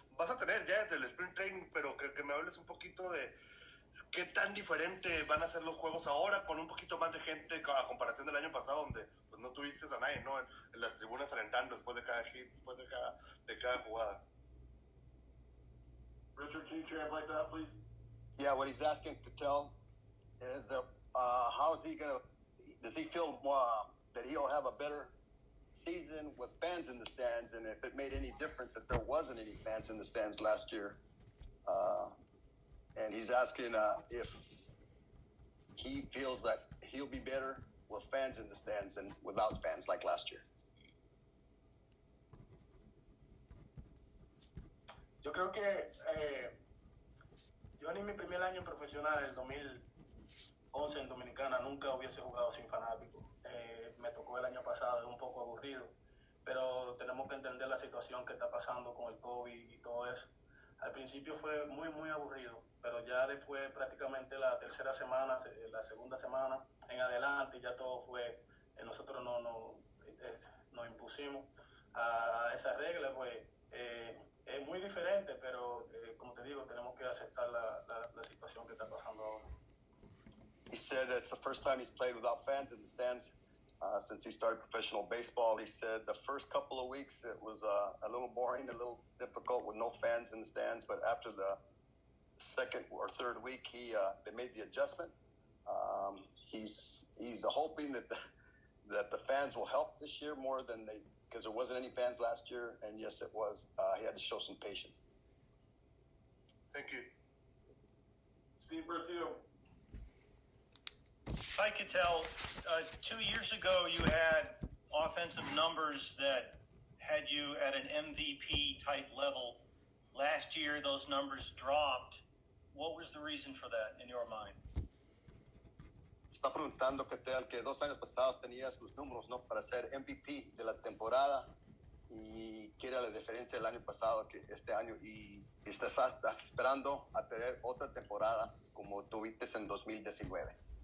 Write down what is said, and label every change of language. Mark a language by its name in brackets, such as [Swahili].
[Spanish] Vas a tener ya desde el sprint training, pero que me hables un poquito de... ¿Qué tan diferente van a ser los juegos ahora con un poquito más de gente a comparación del año pasado donde pues, no tuviste a nadie, ¿no? En las tribunas alentando después de cada hit, después de cada jugada? [English] Richard, can you translate that, please? Yeah, what he's asking to tell is how is he going to, does he feel that he'll have a better season with fans in the stands and if it made any difference if there wasn't any fans in the stands last year? And he's asking if he feels that he'll be better with fans in the stands and without fans like last year. Yo creo que yo en mi primer año profesional, el 2011 en Dominicana, nunca hubiese jugado sin fanáticos. Me tocó el año pasado, un poco aburrido, pero tenemos que entender la situación que está pasando con el COVID y todo eso. Al principio fue muy, muy aburrido, pero ya después, prácticamente la tercera semana, la segunda semana en adelante, ya todo fue, nosotros nos impusimos a esa regla. Pues es muy diferente, pero como te digo, tenemos que aceptar la situación que está pasando ahora. He said it's the first time he's played without fans in the stands since he started professional baseball. He said the first couple of weeks it was a little boring, a little difficult with no fans in the stands. But after the second or third week, they made the adjustment. He's hoping that the fans will help this year more than they, because there wasn't any fans last year. And yes, it was. He had to show some patience. Thank you. Steve Cohen. Steve Berthiaume. Hi, Cattell. 2 years ago, you had offensive numbers that had you at an MVP-type level. Last year, those numbers dropped. What was the reason for that in your mind? [Spanish] Está preguntando, Cattell, que 2 años pasados tenías los números, ¿no?, para ser MVP de la temporada. ¿Y qué era la diferencia del año pasado que este año? ¿Y estás esperando a tener otra temporada como tuviste en 2019?